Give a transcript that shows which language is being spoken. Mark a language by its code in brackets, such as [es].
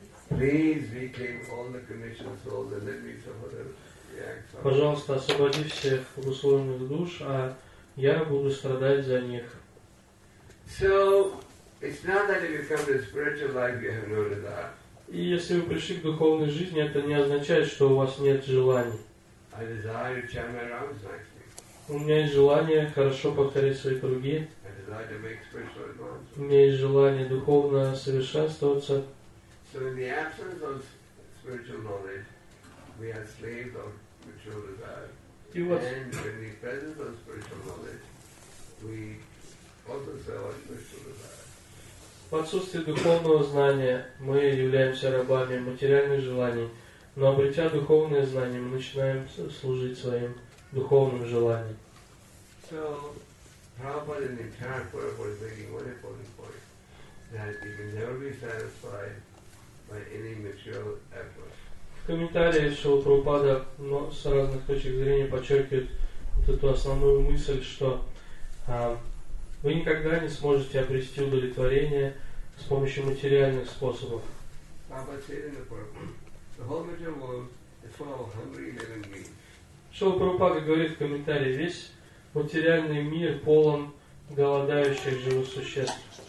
[en] Please reclaim all the conditioned souls and let me suffer the reaction. [ru] Пожалуйста, освободи всех обусловленных душ, а я буду страдать за них. [en] So it's not that if you come to spiritual life you have no desire. [ru] И если вы пришли к духовной жизни, это не означает, что у вас нет желаний. [en] I desire to chant my rounds nicely. [ru] У меня есть желание хорошо повторить свои круги. [en] I desire to make spiritual advances. [ru] У меня есть желание духовно совершенствоваться. [en] So in the absence of spiritual knowledge, we are slaves of material desire. And in the presence of spiritual knowledge, we also serve our spiritual desire. [ru] В отсутствии духовного знания мы являемся рабами материальных желаний, но обретя духовное знание, мы начинаем служить своим духовным желаниям. [en] So, Prabhupada in the entire purport is making one important point, that you can never be satisfied by any material effort. [ru] В комментарии Шрилы Прабхупада с разных точек зрения подчеркивает вот эту основную мысль, что вы никогда не сможете обрести удовлетворение с помощью материальных способов. Шрила Прабхупада говорит в комментарии: весь материальный мир полон голодающих живых существ.